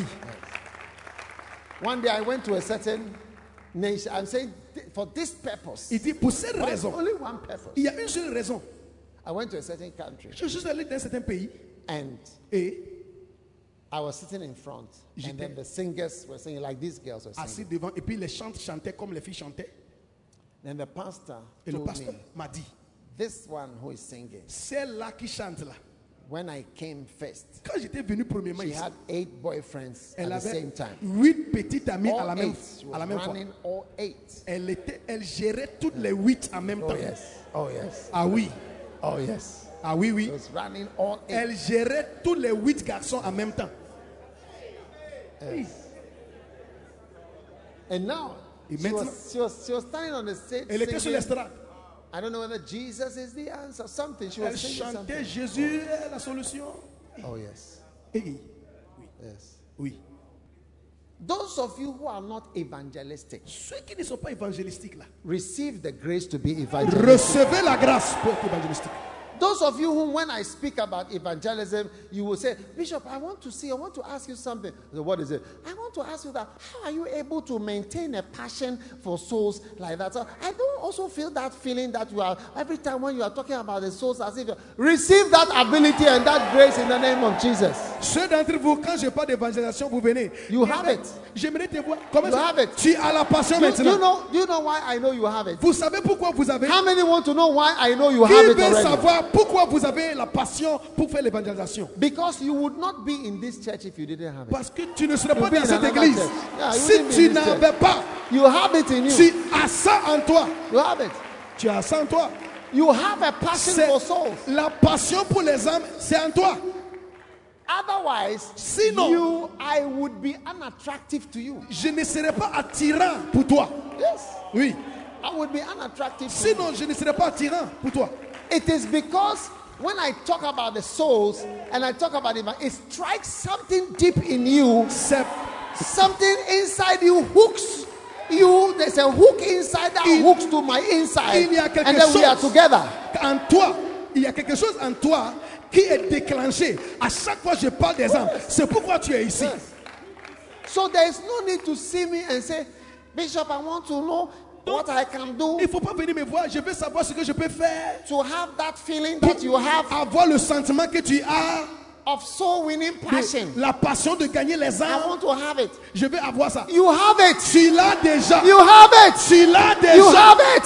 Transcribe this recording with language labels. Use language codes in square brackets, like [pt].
[en] Yes. One day I went to a certain nation. I'm saying for this purpose. [fr] Il dit pour cette raison. [en] Only one purpose. [fr] Il y a une seule raison. [en] I went to a certain country. [fr] Je suis allé dans un certain pays. [en] And. [fr] Et [en] I was sitting in front, and then the singers were singing like these girls were singing. [fr] Assis devant, et puis les chants chantaient comme les filles chantaient. [en] Then the pastor [fr] et [en] told [fr] le pasteur [en] me, [fr] m'a dit, [en] "This one who is singing, [fr] celle-là qui chante là, [en] when I came first, [fr] quand j'étais venu premièrement, [en] she [fr] ici, [en] had eight boyfriends at the same time. [fr] Huit petites amies à la même fois. [en] All eight was running. All eight. [fr] Elle gérait toutes les huit en même temps. [en] Oh yes. Oh yes. [fr] Ah oui. [en] Oh yes. [fr] Ah oui, oui. [en] She was running all eight. [fr] Elle gérait tous les huit garçons en même temps. [en] And now she was standing on the stage. [fr] Elle était sur l'estrade. [en] I don't know whether Jesus is the answer or something. She was [fr] elle [en] singing [fr] chantait Jésus oh. est la solution. [en] Oh yes. Hey. [fr] Oui. [en] Yes. [fr] Oui. [en] Those of you who are not evangelistic, [fr] ceux qui ne sont pas évangélistiques là, [en] receive the grace to be evangelistic. [fr] Recevez la grâce pour être évangélistique. [en] Those of you who, when I speak about evangelism, you will say, "Bishop, I want to ask you something." So what is it? "I want to ask you that, how are you able to maintain a passion for souls like that?" So I don't also feel that feeling that you are, every time when you are talking about the souls, as if you receive that ability and that grace in the name of Jesus. [fr] Ceux d'entre vous, quand je parle d'évangélisation, vous venez. [en] You have it. [fr] J'aimerais te voir. Comment [en] you have it. [fr] Tu as la passion maintenant. [en] Do you know why I know you have it? [fr] Vous savez pourquoi vous avez? [en] How many want to know why I know you have it already? [fr] Savoir pourquoi vous avez la passion pour faire l'évangélisation? [en] Because you would not be in this church if you didn't have it. [fr] Parce que tu ne serais pas dans cette église. [en] Yeah, [fr] si tu n'avais pas, [en] you have it in you. [fr] Tu as ça en toi. [en] You have it. [fr] Tu as ça en toi. [en] You have a passion [fr] c'est [en] for souls. [fr] La passion pour les âmes, c'est en toi. [en] Otherwise, [fr] sinon, [en] I would be unattractive to you. [fr] Je ne serais pas attirant pour toi. [en] Yes. [fr] Oui. [en] I would be unattractive. [fr] Sinon, je ne serais pas attirant pour toi. [en] It is because when I talk about the souls and I talk about it, it strikes something deep in you. Something inside you hooks you. There's a hook inside that hooks to my inside. And then we are together. [fr] en toi, il y a quelque chose en toi qui est déclenché. À chaque fois je parle des âmes, c'est pourquoi tu es ici. [en] Yes. So there is no need to see me and say, Bishop, I want to know what I can do. [fr] Il faut pas venir me voir, je veux savoir ce que je peux faire. [en] To have that feeling that you have. [fr] Avoir le sentiment que tu as. [en] Of soul winning passion. [fr] La passion de gagner les âmes. [en] I want to have it. [fr] Je veux avoir ça. [en] You have it. [fr] Tu l'as déjà. [en] You have it. [fr] Tu l'as déjà. [en] You have it.